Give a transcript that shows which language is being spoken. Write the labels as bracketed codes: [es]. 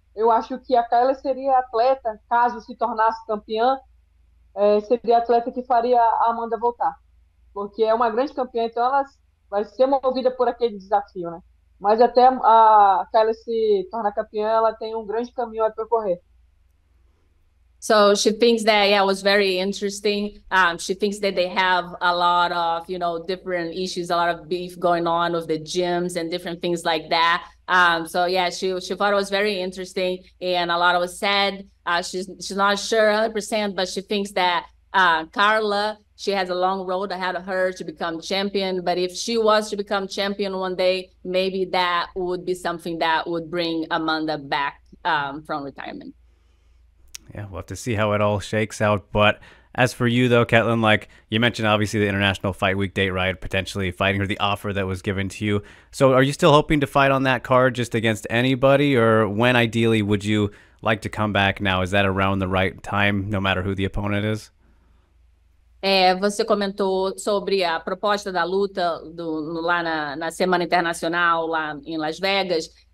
[pt] Eu acho que a Kayla seria atleta, caso se tornasse campeã, seria atleta que faria a Amanda voltar. Porque é uma grande campeã, então ela vai ser movida por aquele desafio, né? Mas até a Kayla se tornar campeã, ela tem um grande caminho a percorrer. [en] So she thinks that it was very interesting. She thinks that they have a lot of, different issues, a lot of beef going on with the gyms and different things like that. So yeah, she thought it was very interesting and a lot was said. She's not sure 100%, but she thinks that Carla, she has a long road ahead of her to become champion. But if she was to become champion one day, maybe that would be something that would bring Amanda back from retirement. Yeah, we'll have to see how it all shakes out. But as for you, though, Caitlin, like you mentioned, obviously the International Fight Week date, right? Potentially fighting her, the offer that was given to you. So are you still hoping to fight on that card just against anybody? Or when ideally would you like to come back now? Is that around the right time, no matter who the opponent is? [pt] Você comentou sobre a proposta da luta lá na Semana Internacional, lá em Las Vegas.